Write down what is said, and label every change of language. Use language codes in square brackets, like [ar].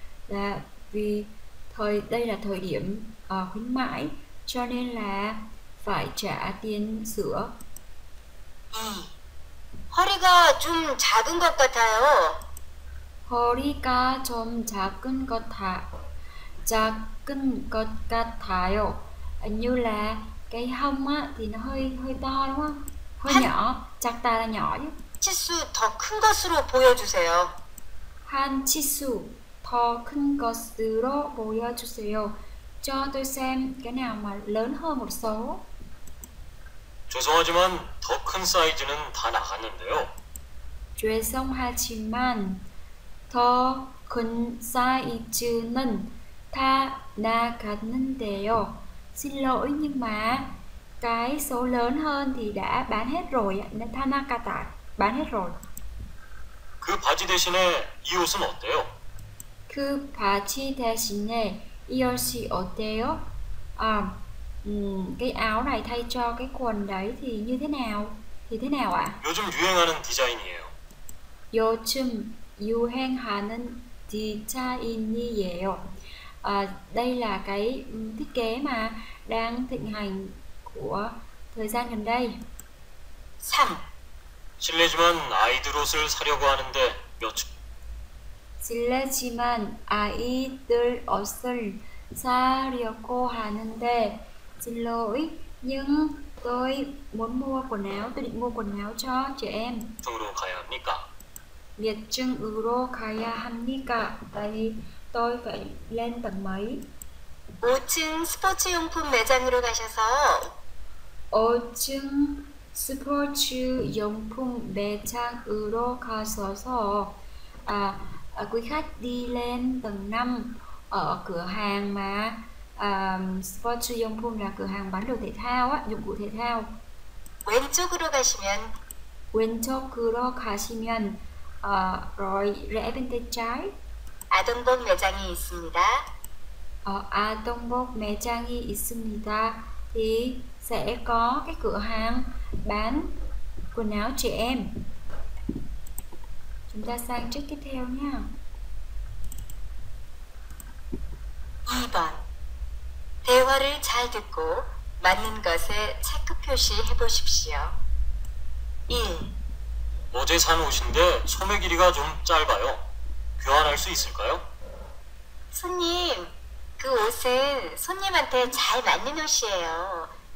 [vi] Là vì thời đây là thời điểm khuyến mãi cho nên là phải trả tiền sửa. [ko] 허리가 좀 작은 것 같아요. 허리가 좀 작은 것 같아. 작은 것 같아요. [vi] Như là cái hông á thì nó hơi to đúng không? Hơi nhỏ. 작다 là nhỏ chứ. [ko] 치수 더 큰 것으로 보여주세요. 한 치수 더 큰 것으로 보여주세요. [vi] Cho tôi xem cái nào mà lớn hơn một số. [ko] 죄송하지만 더 큰 사이즈는 다 나갔는데요. 죄송하지만 더 큰 사이즈는 다 나갔는데요. [vi] Xin lỗi nhưng mà cái số lớn hơn thì đã bán hết rồi. Tanakata bán hết rồi. [ko] 그 바지 대신에 이 옷은 어때요? 그 바지 대신에 이 옷이 어때요? [vi] 아, cái áo này thay cho cái quần đấy thì như thế nào? Thì thế nào ạ? [ko] 요즘 유행하는 디자인이에요. 요즘 유행하는 디자인이에요. [vi] Đây là cái thiết kế mà đang thịnh hành của thời gian gần đây. 3. [ko] 실례지만 아이들 옷을 사려고 하는데 몇 층? 실례지만 아이들 옷을 사려고 하는데 [vi] xin lỗi nhưng tôi muốn mua quần áo, tôi định mua quần áo cho trẻ em. [ko] 몇 층으로 가야 합니까? 몇 층으로 가야 합니까? [vi] Đây tôi phải lên tầng mấy? [ko] 5층 스포츠 용품 매장으로 가셔서 5층 스포츠 용품 매장으로 가셔서 [vi] quý khách đi lên tầng 5 ở cửa hàng mà sports 용품 là cửa hàng bán đồ thể thao á, dụng cụ thể thao. [ko] 왼쪽으로 가시면 왼쪽으로 가시면 [vi] rồi rẽ bên tay trái. [ko] 아동복 매장이 있습니다. 아동복 매장이 있습니다. Thì [vi] sẽ có cái cửa hàng bán quần áo trẻ em. Chúng ta sang trước tiếp theo nha. [ko] 2번. 대화를 잘 듣고 맞는 것에 체크 표시 해보십시오. 1. 어제 산 옷인데 소매 길이가 좀 짧아요. 교환할 수 있을까요? 손님, 그 옷은 손님한테 잘 맞는 옷이에요.